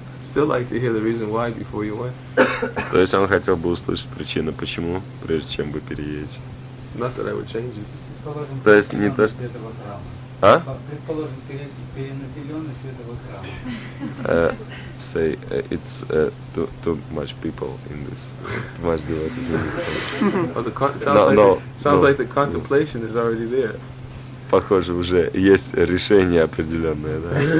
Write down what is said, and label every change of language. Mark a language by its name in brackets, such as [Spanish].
[English] Still like to hear the reason why before you went. [Russian] То есть он хотел бы услышать причины, почему, прежде чем вы переедете. [English] Not that I would change it. [Russian] То есть не то, что... А? Предположим, перенаселенность этого храма. [English] Say, it's too much people in this, too much devotees in this place. Sounds like the contemplation is already there. [Russian] Похоже, уже есть решение определенное, да?